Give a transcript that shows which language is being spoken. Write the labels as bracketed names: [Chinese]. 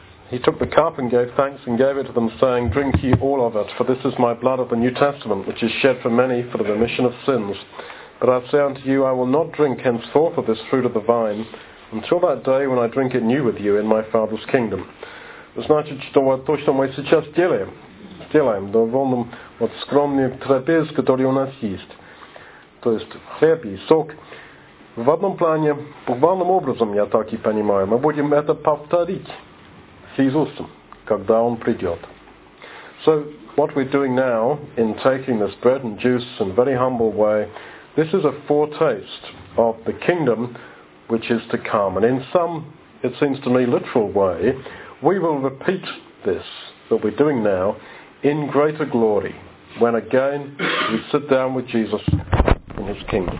[English] He took the cup and gave thanks and gave it to them, saying, Drink ye all of it, for this is my blood of the New Testament, which is shed for many for the remission of sins. But I say unto you, I will not drink henceforth of this fruit of the vine, until that day when I drink it new with you in my Father's kingdom. [Russian] Значит, что то, что мы сейчас делаем, делаем довольно вот скромный трапез, который у нас есть. То есть хлеб и сок. В одном плане, буквальным образом, я так и понимаю, мы будем это повторить с Иисусом, когда Он придет. [English] So, what we're doing now in taking this bread and juice in a very humble way, this is a foretaste of the kingdom which is to come. And in some, it seems to me, literal way, we will repeat this that we're doing now in greater glory, when again we sit down with Jesus in his kingdom.